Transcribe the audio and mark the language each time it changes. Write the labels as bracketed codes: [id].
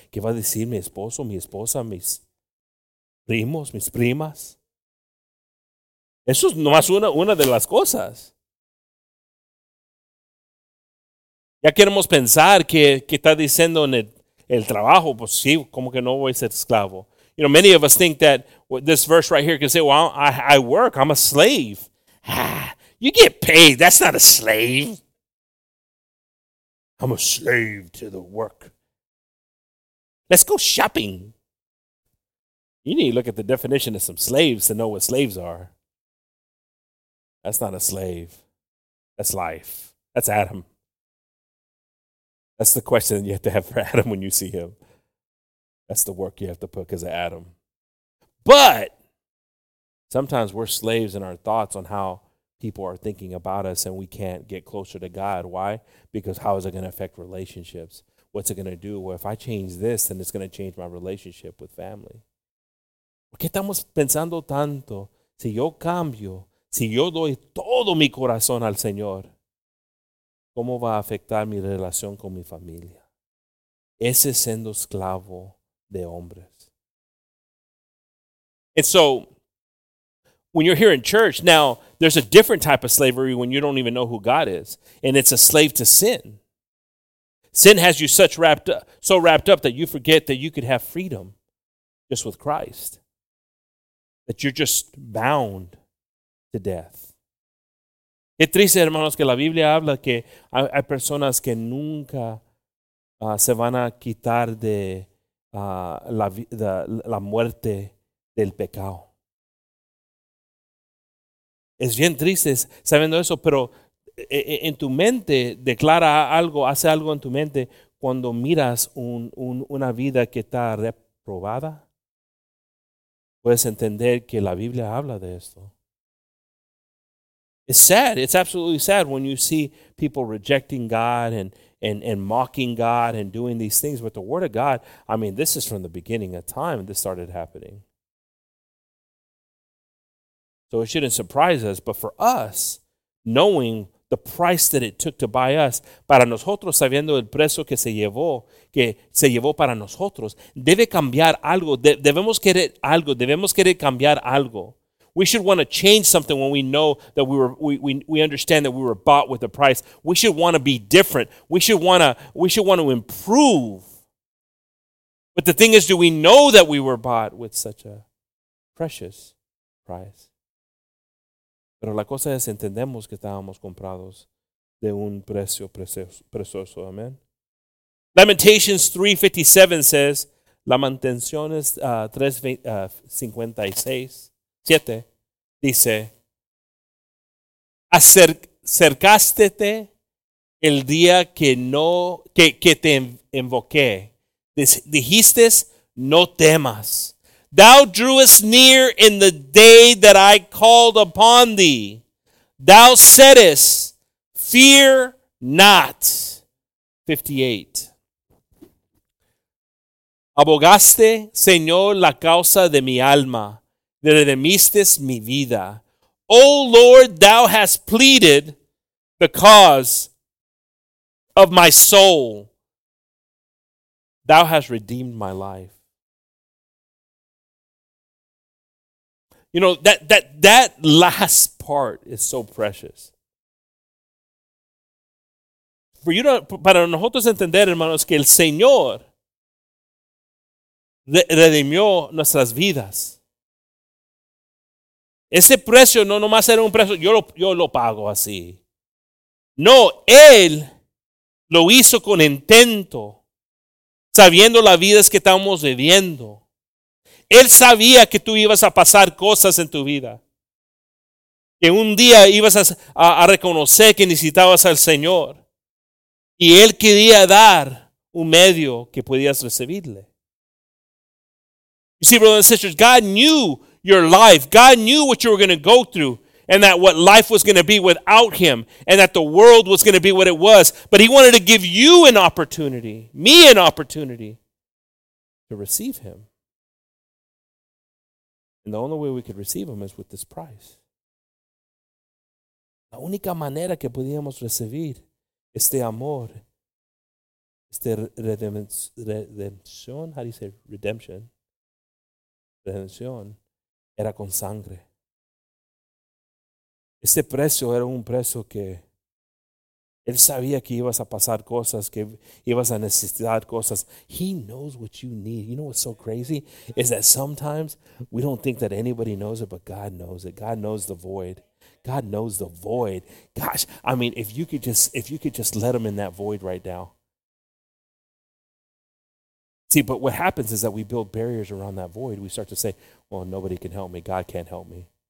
[es] ¿Qué va a decir mi esposo, mi esposa, mis primos, mis primas? Eso es nomás una de las cosas. Ya queremos pensar que está diciendo en el trabajo, pues sí, como que no voy a ser esclavo. [en] You know, many of us think that this verse right here can say, well, I work, I'm a slave. Ah, you get paid, that's not a slave. I'm a slave to the work. Let's go shopping. You need to look at the definition of some slaves to know what slaves are. That's not a slave. That's life. That's Adam. That's the question you have to have for Adam when you see him. That's the work you have to put because of Adam. But sometimes we're slaves in our thoughts on how people are thinking about us and we can't get closer to God. Why? Because how is it going to affect relationships? What's it going to do? Well, if I change this, then it's going to change my relationship with family. [es] ¿Por qué estamos pensando tanto? Si yo cambio, si yo doy todo mi corazón al Señor, ¿cómo va a afectar mi relación con mi familia? Ese siendo esclavo de hombres. [en] And so, when you're here in church, now, there's a different type of slavery when you don't even know who God is. And it's a slave to sin. Sin has you so wrapped up that you forget that you could have freedom just with Christ. That you're just bound to death. [es] Qué triste, hermanos, que la Biblia habla que hay personas que nunca se van a quitar de la muerte del pecado. Es bien triste sabiendo eso, pero en tu mente declara algo, hace algo en tu mente cuando miras una vida que está reprobada. Puedes entender que la Biblia habla de esto. [en] It's sad. It's absolutely sad when you see people rejecting God and mocking God and doing these things. But the Word of God, I mean, this is from the beginning of time this started happening. So it shouldn't surprise us. But for us, knowing the price that it took to buy us, [es] para nosotros sabiendo el precio que se llevó para nosotros, debe cambiar algo. Debemos querer cambiar algo. [en] We should want to change something when we know that we understand that we were bought with a price. We should want to be different. We should want to improve. But the thing is, do we know that we were bought with such a precious price? [es] Pero la cosa es, entendemos que estábamos comprados de un precio precioso. Amen. [en] Lamentations 3:57 says, Lamentaciones 3:57. [es] Dice, acercástete el día que te invoqué. Dijiste, no temas. [en] Thou drewest near in the day that I called upon thee. Thou saidest, fear not. 58. [es] Abogaste, Señor, la causa de mi alma. Redimiste mi vida. [en] O Lord, thou hast pleaded the cause of my soul. Thou hast redeemed my life. You know, that last part is so precious. [es] Para nosotros entender, hermanos, que el Señor redimió nuestras vidas. Ese precio no nomás era un precio, yo lo pago así. No, Él lo hizo con intento, sabiendo la vida que estamos viviendo. Él sabía que tú ibas a pasar cosas en tu vida. Que un día ibas a reconocer que necesitabas al Señor. Y Él quería dar un medio que podías recibirle. [en] You see, brothers and sisters, God knew your life. God knew what you were going to go through. And that what life was going to be without Him. And that the world was going to be what it was. But He wanted to give you an opportunity. Me an opportunity. To receive Him. And the only way we could receive Him is with this price. [es] La única manera que podíamos recibir este amor, este redención, [en] how do you say redemption? [es] Redención era con sangre. Este precio era un precio que Él sabía que ibas a pasar cosas, que ibas a necesitar cosas. [en] He knows what you need. You know what's so crazy? Is that sometimes we don't think that anybody knows it, but God knows it. God knows the void. God knows the void. Gosh, I mean, if you could just let Him in that void right now. See, but what happens is that we build barriers around that void. We start to say, well, nobody can help me. God can't help me.